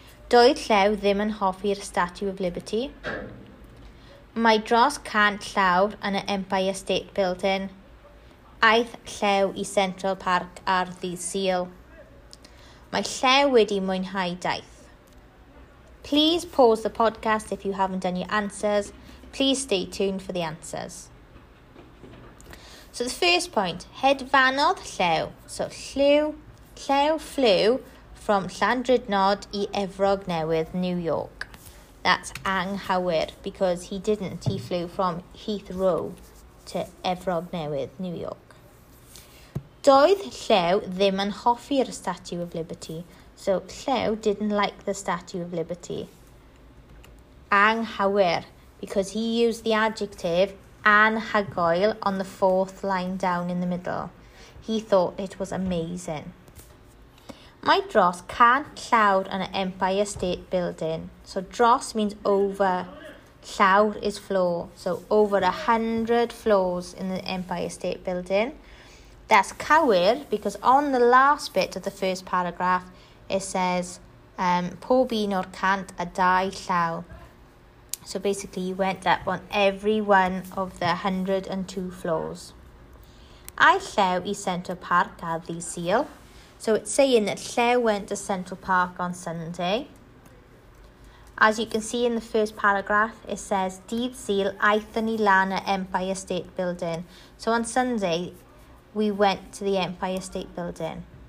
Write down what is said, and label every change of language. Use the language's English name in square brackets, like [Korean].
[Welsh] Doedd llew ddim yn hoffi'r Statue of Liberty. Mae dros 100 llawr yn y Empire State Building. Aeth llew i Central Park ar ddydd Sul. Mae llew wedi mwynhau daith. [English] Please pause the podcast if you haven't done your answers. Please stay tuned for the answers. So the first point, [Welsh] hedfanodd llew. [English] So llew flew from Llandrydnod i Efrog Newydd, New York. That's anghywir, because he didn't. He flew from Heathrow to Efrog Newydd, New York. [Welsh] Doedd Llew ddim yn hoffi'r Statue of Liberty. [English] So, Llew didn't like the Statue of Liberty. Anghywir, because he used the adjective anhygoel on the fourth line down in the middle. He thought it was amazing. [Welsh] Mae dros 100 llawr yn y Empire State Building. [English] So, dros means over. Llawr is floor. So, over 100 floors in the Empire State Building. That's cywir, because on the last bit of the first paragraph, it says, [Welsh] pob un o'r cant a dau llaw. [English] So basically, you went up on every one of the 102 floors. [Welsh] Ai llew i Central Park ar ddydd Sul. [English] So it's saying that llew went to Central Park on Sunday. As you can see in the first paragraph, it says, [Welsh] dydd Sul aethon ni lan y Empire State Building. [English] So on Sunday, we went to the Empire State Building.